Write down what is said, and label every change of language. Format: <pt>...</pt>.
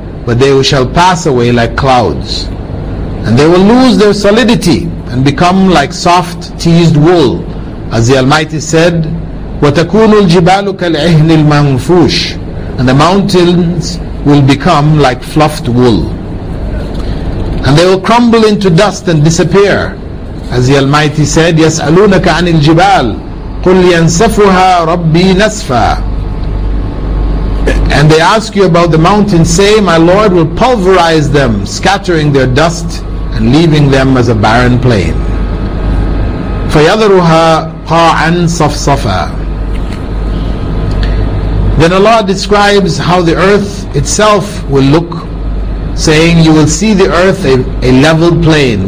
<en>but they shall pass away like clouds, and they will lose their solidity and become like soft teased wool. As the Almighty said,</en> <ar>وَتَكُونُ الْجِبَالُ كَالْعِهْنِ الْمَنْفُوشِ,</ar> <en>and the mountains will become like fluffed wool. And they will crumble into dust and disappear. As the Almighty said,</en> <ar>يَسْأَلُونَكَ عَنِ الْجِبَالِ قُلْ يَنْسَفُهَا رَبِّي نَسْفًا.</ar> <en>And they ask you about the mountains, say, my Lord will pulverize them, scattering their dust and leaving them as a barren plain.</en> <ar>فَيَذَرُهَا قَاعًا صَفْصَفًا.</ar> <en>Then Allah describes how the earth itself will look, saying, you will see the earth a leveled plain.</en>